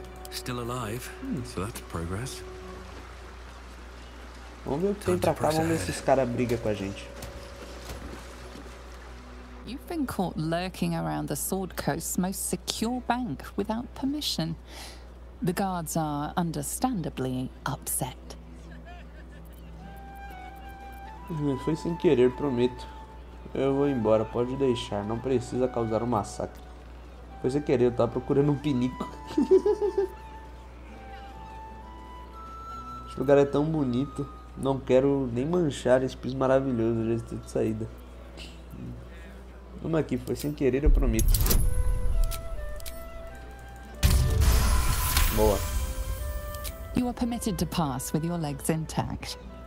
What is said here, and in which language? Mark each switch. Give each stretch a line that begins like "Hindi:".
English: Still alive. So that's progress.
Portuguese: Vamos ver o que tem pra cá, vamos ver se os caras brigam com a gente.
English: You've been caught lurking around the Sword Coast's most secure bank without permission. The guards are understandably upset.
Portuguese: Foi sem querer, prometo. Eu vou embora, pode deixar. Não precisa causar um massacre. Foi sem querer, eu tava procurando um pinico. Esse lugar é tão bonito. Não quero nem manchar esse piso maravilhoso. Já estou de saída. Vamos aqui, foi sem querer, eu prometo. Boa.
English: You are permitted to pass with your legs intact.